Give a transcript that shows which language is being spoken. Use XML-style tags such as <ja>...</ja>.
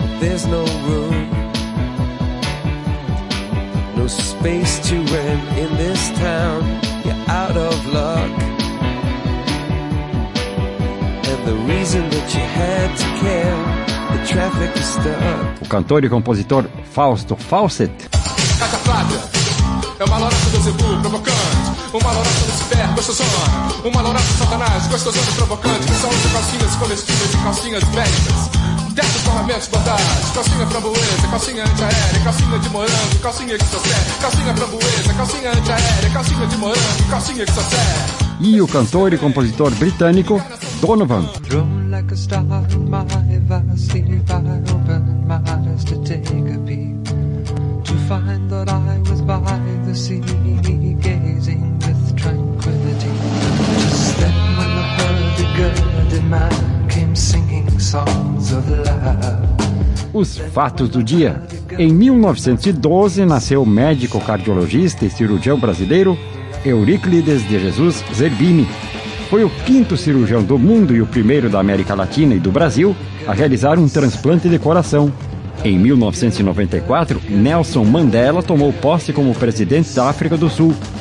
<en>There's no room, no space to rent in this town. You're out of luck, and the reason that you had to care, the traffic is stuck.</en> <pt>O cantor e compositor Fausto Fawcett. Cata Flávia. É uma lorota do Zebu, provocante. Uma lorota do Ciber, gostosona. Uma lorota do Satanás, gostosona e provocante. Que são as calcinhas comestíveis e calcinhas médicas. Dessas ferramentas bordadas. Calcinha framboesa, calcinha antiaérea. Calcinha de morango, calcinha que só serve. Calcinha framboesa, calcinha antiaérea. Calcinha de morango, calcinha que só serve. E o cantor e compositor britânico Donovan.</pt> <en>Drum like a star, my eyes see, I open my eyes to take a peek. Find that I was by the sea, gazing with tranquility. Just then when the hurdy-gurdy man came singing songs of love.</en> <pt>Os fatos do dia. Em 1912, nasceu o médico cardiologista e cirurgião brasileiro Euríclides de Jesus Zerbini. Foi o quinto cirurgião do mundo e o primeiro da América Latina e do Brasil a realizar um transplante de coração. Em 1994, Nelson Mandela tomou posse como presidente da África do Sul.</pt>